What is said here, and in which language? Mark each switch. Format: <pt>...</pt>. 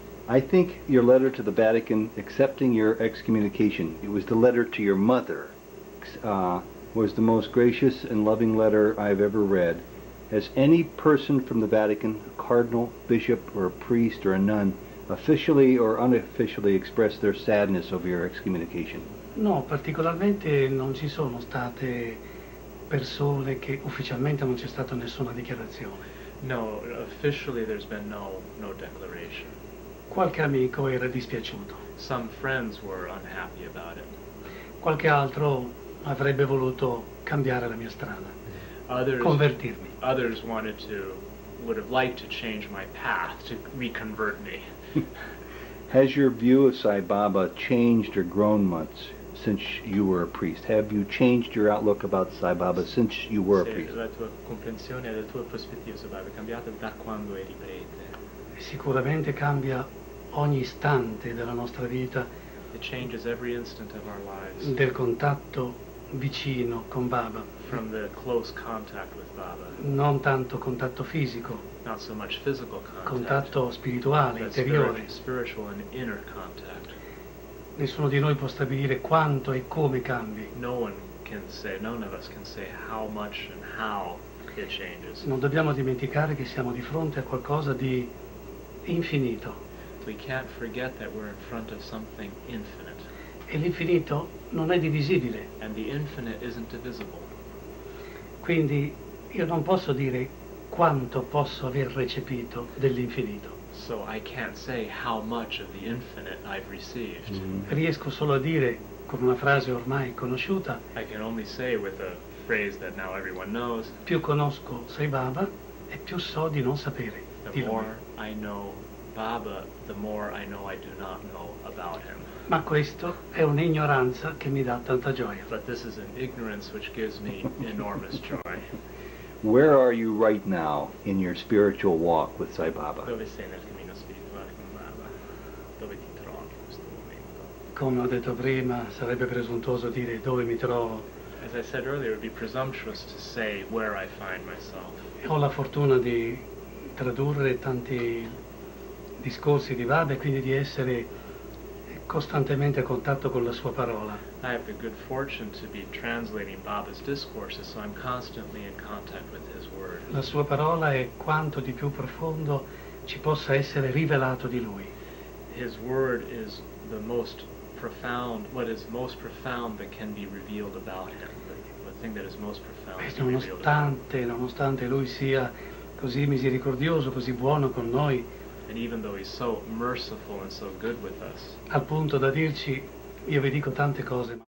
<en>I think your letter to the Vatican accepting your excommunication, it was the letter to your mother, was the most gracious and loving letter I've ever read. Has any person from the Vatican, a cardinal, bishop, or a priest, or a nun, officially or unofficially expressed their sadness over your excommunication?</en> <it>No, particolarmente non ci sono state persone che ufficialmente non c'è stata nessuna dichiarazione.</it> <en>No, officially there's been no declaration.</en> <it>Qualche amico era dispiaciuto.</it> <en>Some friends were unhappy about it.</en> <it>Qualche altro avrebbe voluto cambiare la mia strada.</it> <en>Others,</en> <it>convertirmi.</it> <en>Others wanted to, would have liked to change my path, to reconvert me. Has your view of Sai Baba changed or grown much since you were a priest? Have you changed your outlook about Sai Baba since you were a priest?</en> <it>La tua comprensione, la tua prospettiva su Baba è cambiata da quando eri prete? Sicuramente cambia ogni istante della nostra vita.</it> <en>It changes every instant of our lives.</en> <it>Del contatto vicino con Baba.</it> <en>From the close contact with Baba.</en> <it>Non tanto contatto fisico.</it> <en>Not so much physical contact.</en> <it>Contatto spirituale, interiore.</it> <en>Spiritual and inner contact.</en> <it>Nessuno di noi può stabilire quanto e come cambi.</it> <en>No one can say, none of us can say how much and how it changes.</en> <it>Non dobbiamo dimenticare che siamo di fronte a qualcosa di infinito.</it> <en>We can't forget that we're in front of something infinite.</en> <it>E l'infinito non è divisibile.</it> <en>And the infinite isn't divisible.</en> <it>Quindi io non posso dire quanto posso aver recepito dell'infinito.</it> <en>So I can't say how much of the infinite I've received. Mm-hmm.</en> <it>Riesco solo a dire con una frase ormai conosciuta.</it> <en>I can only say with a phrase that now everyone knows.</en> <it>Più conosco Sai Baba e più so di non sapere.</it> <en>The more I know Baba, the more I know I do not know about him.</en> <it>Ma questo è un'ignoranza che mi dà tanta gioia.</it> <en>But this is an ignorance which gives me enormous joy. Where are you right now in your spiritual walk with Sai Baba?</en> <it>Dove sei nel cammino spirituale con Baba? Dove ti trovi in questo momento? Come ho detto prima, sarebbe presuntuoso dire dove mi trovo.</it> <en>As I said earlier, it would be presumptuous to say where I find myself.</en> <it>Ho la fortuna di tradurre tanti discorsi di Baba e quindi di essere costantemente a contatto con la sua parola.</it> <en>I have the good fortune to be translating Baba's discourses, so I'm constantly in contact with his word.</en> <it>La sua parola è quanto di più profondo ci possa essere rivelato di lui.</it> <en>His word is the most profound, what is most profound that can be revealed about him, the thing that is most profound.</en> <it>Nonostante lui sia così misericordioso, così buono con noi,</it> <en>and even though he's so merciful and so good with us,</en> <it>al punto da dirci, io vi dico tante cose.</it>